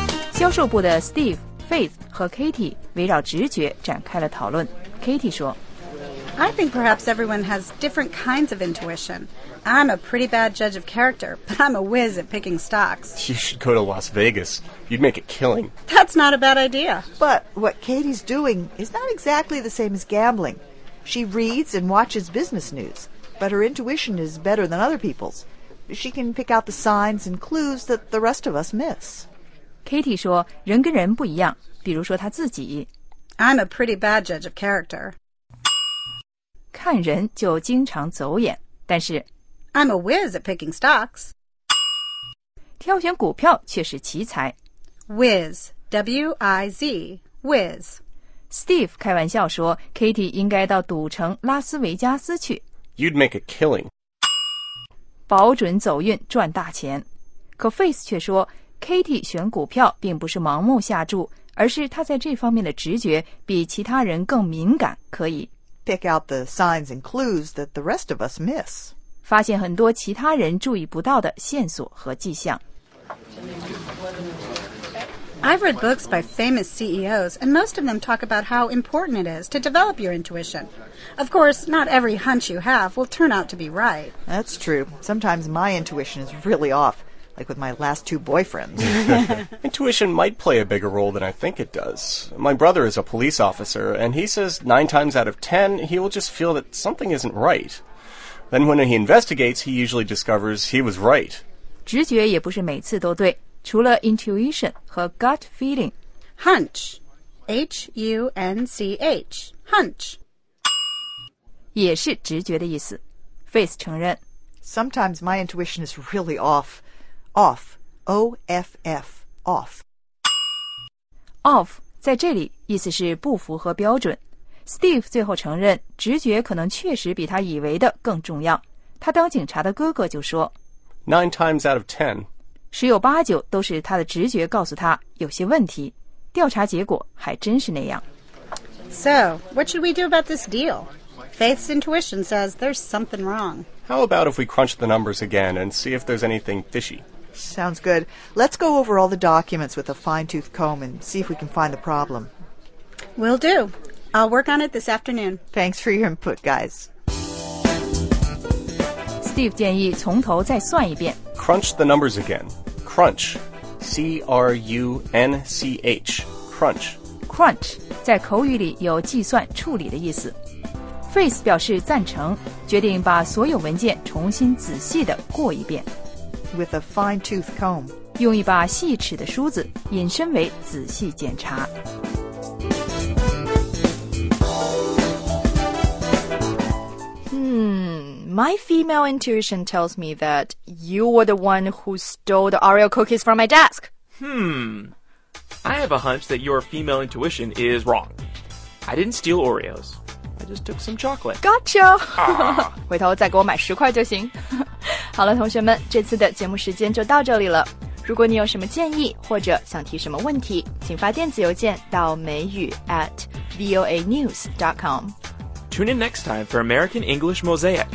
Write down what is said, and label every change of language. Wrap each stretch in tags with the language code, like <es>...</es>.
<zh>销售部的 Steve, Faith 和 Katie 围绕直觉展开了讨论。 Katie 说</zh> <en>I think perhaps everyone has different kinds of intuition. I'm a pretty bad judge of character, but I'm a whiz at picking stocks. You should go to Las Vegas. You'd make a killing. That's not a bad idea. But what Katie's doing is not exactly the same as gambling. She reads and watches business news, but her intuition is better than other people's. She can pick out the signs and clues that the rest of us miss.</en> <zh>Katie 说人跟人不一样，比如说她自己。</zh> <en>I'm a pretty bad judge of character.</en> <zh>看人就经常走眼，但是</zh> <en>I'm a whiz at picking stocks.</en> <zh>挑选股票却是奇才。</zh> <en>Whiz, W-I-Z, whiz.</en> <zh>Steve 开玩笑说 Katie 应该到赌城拉斯维加斯去。</zh> <en>You'd make a killing.</en> <zh>保准走运赚大钱。可 Faith 却说 Katie 选股票并不是盲目下注，而是她在这方面的直觉比其他人更敏感，可以</zh> <en>Pick out the signs and clues that the rest of us miss.</en> <zh>发现很多其他人注意不到的线索和迹象。</zh> <en>I've read books by famous CEOs, and most of them talk about how important it is to develop your intuition. Of course, not every hunch you have will turn out to be right. That's true. Sometimes my intuition is really off, like with my last two boyfriends. Intuition might play a bigger role than I think it does. My brother is a police officer, and he says 9 times out of 10, he will just feel that something isn't right. Then when he investigates, he usually discovers he was right.</en> <zh>直觉也不是每次都对，除了 intuition 和 gut feeling.</zh> <en>Hunch. H-U-N-C-H. Hunch.</en> <zh>也是直觉的意思。Faith 承认。</zh> <en>Sometimes my intuition is really off. Off, O-F-F, off.</en> <zh>Off, 在这里意思是不符合标准。Steve 最后承认直觉可能确实比他以为的更重要。他当警察的哥哥就说</zh> <en>9 times out of 10.</en> <zh>十有八九都是他的直觉告诉他有些问题。调查结果还真是那样。</zh> <en>So, what should we do about this deal? Faith's intuition says there's something wrong. How about if we crunch the numbers again and see if there's anything fishy? Sounds good. Let's go over all the documents with a fine-tooth comb and see if we can find the problem. Will do. I'll work on it this afternoon. Thanks for your input, guys.</en> <zh>Steve 建议从头再算一遍。</zh> <en>Crunch the numbers again. Crunch. C-R-U-N-C-H. Crunch.</en> <zh>Crunch 在口语里有计算、处理的意思。 Faith 表示赞成，决定把所有文件重新仔细地过一遍。</zh> <en>With a fine-tooth comb.</en> <zh>用一把细齿的梳子引申为仔细检查。</zh> <en>My female intuition tells me that you were the one who stole the Oreo cookies from my desk. I have a hunch that your female intuition is wrong. I didn't steal Oreos. I just took some chocolate. Gotcha!、</en> <zh>回头再给我买10块就行。好了，同学们，这次的节目时间就到这里了。如果你有什么建议或者想提什么问题，请发电子邮件到美语 @voanews.com.</zh> <en>Tune in next time for American English Mosaic.</en>